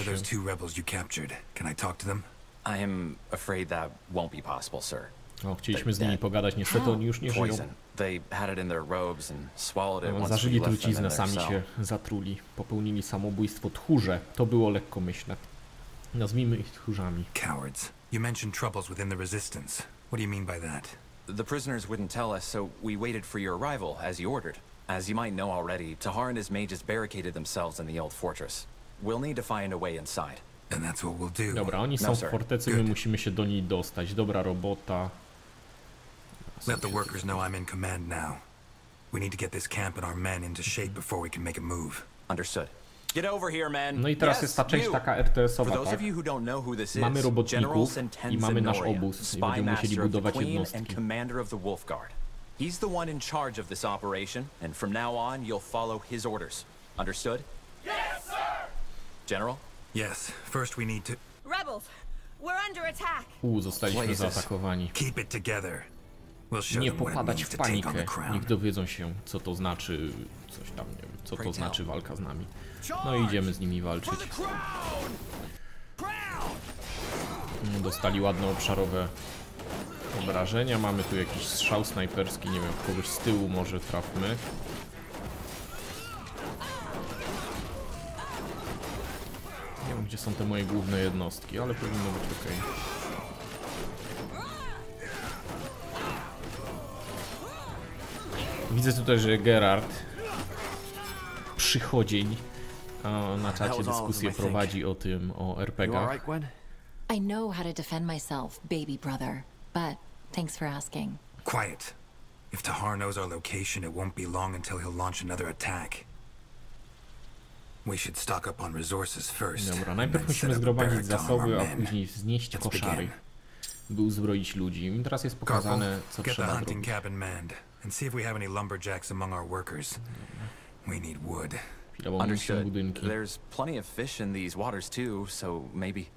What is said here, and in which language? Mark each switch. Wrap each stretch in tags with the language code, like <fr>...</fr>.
<en>Where are those two rebels you captured? Can I talk to them? I am afraid that won't be possible, sir.</en> <pl>O, chcieliśmy z nimi pogadać, niestety oni już nie żyją.</pl> <en>They had it in their robes and swallowed it.</en> <pl>Zażyli truciznę, sami się zatruli. Popełnili samobójstwo. Tchórze, to było lekkomyślne. Nazwijmy ich tchórzami.</pl> <en>Cowards. You mentioned troubles within the resistance. What do you mean by that? The prisoners wouldn't tell us, so we waited for your arrival, as you ordered. As you might know already, Tahar and his mages barricaded themselves in the old fortress. We'll need to find a way inside. And that's what we'll do.</en> <pl>Dobra, oni są w fortecy, my musimy się do niej dostać. Dobra robota.</pl> <en>Let the workers know I'm in command now. We need to get this camp and our men into shape before we can make a move. Understood. Get over here, men.</en> <pl>No i teraz jest ta część taka RTS-owa.</pl> <en>For those of you who don't know who this is,</en> <pl>mamy robotników i mamy nasz obóz. Będziemy musieli budować jednostki.</pl> <en>And commander of the Wolfguard. He's the one in charge of this operation, and from now on, you'll follow his orders. Understood? Yes, sir! General? Yes, first we need to... Rebels! We're under attack!</en> <pl>Zostaliśmy zaatakowani.</pl> <en>Keep it together.</en> <pl>nie popadać w panikę. Niech dowiedzą się, co to znaczy coś tam, nie wiem, co to znaczy walka z nami. No i idziemy z nimi walczyć. Dostali ładne obszarowe obrażenia. Mamy tu jakiś strzał snajperski, nie wiem, kogoś z tyłu może trafmy. Nie wiem, gdzie są te moje główne jednostki, ale powinno być ok. Widzę tutaj, że Gerard przychodzień na czacie dyskusję prowadzi o tym, o RPG-ach.</pl> <en>I know how to defend myself, baby brother, but thanks for asking. Quiet. If Tahar knows our location, it won't be long until he'll launch another attack. We should stock up on resources first.</en> <pl>Dobra, najpierw musimy zgromadzić zasoby, a później znieść koszary, by uzbroić ludzi. I teraz jest pokazane, co trzeba zrobić.</pl> <en>Hunting cabin manned and see if we have any lumberjacks among our workers. We need wood. Understood. There's plenty of fish in these waters too, so maybe.</en>